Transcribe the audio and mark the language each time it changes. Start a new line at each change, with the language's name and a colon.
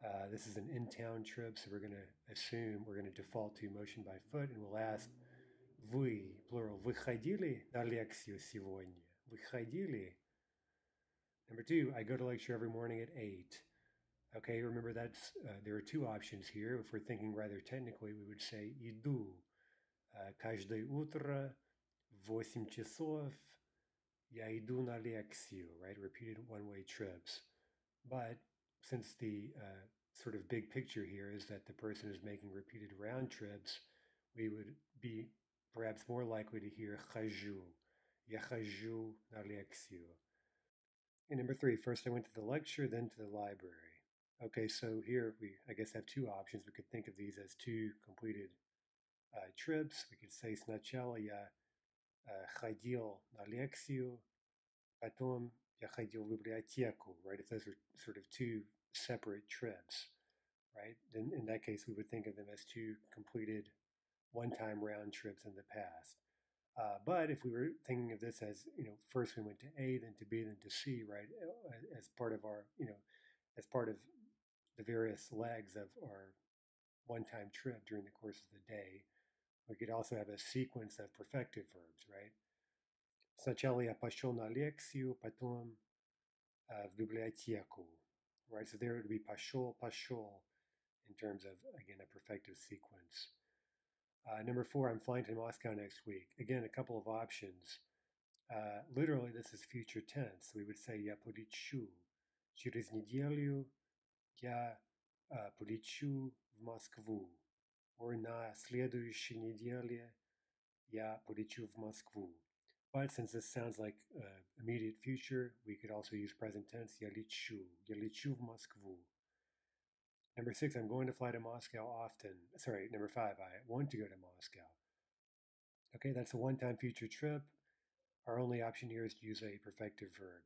English: This is an in-town trip, so we're going to assume, we're going to default to motion by foot, and we'll ask, вы, plural,
Russian: вы ходили на лекцию сегодня? Вы ходили?
English: Number two, I go to lecture every morning at 8. Okay, remember that's, there are two options here. If we're thinking rather technically, we would say, иду.
Russian: Каждое утро, 8 часов, я иду на лекцию, right?
English: Repeated one-way trips. But since the sort of big picture here is that the person is making repeated round trips, we would be perhaps more likely to hear хожу,
Russian: я хожу на лекцию.
English: And number three, first I went to the lecture, then to the library. Okay, so here we, I guess, have two options. We could think of these as two completed trips. We could say
Russian: сначала я ходил на лекцию, потом я ходил в библиотеку, right?
English: If those are sort of two separate trips, right? Then in that case, we would think of them as two completed one-time round trips in the past. But if we were thinking of this as, you know, first we went to A, then to B, then to C, right? As part of our, you know, as part of the various legs of our one-time trip during the course of the day, we could also have a sequence of perfective verbs, right?
Russian: Сначала я пошел на лекцию, потом в библиотеку.
English: Right, so there it would be
Russian: пошел, пошел,
English: in terms of, again, a perfective sequence. Number four, I'm flying to Moscow next week. Again, a couple of options. Literally, this is future tense. So we would say
Russian: я полечу. Через неделю я полечу в Москву. Or на следующей неделе я полечу в Москву.
English: But since this sounds like immediate future, we could also use present tense.
Russian: Я лечу в Москву.
English: Number six, I'm going to fly to Moscow often. Sorry, number five, I want to go to Moscow. Okay, that's a one-time future trip. Our only option here is to use a perfective verb.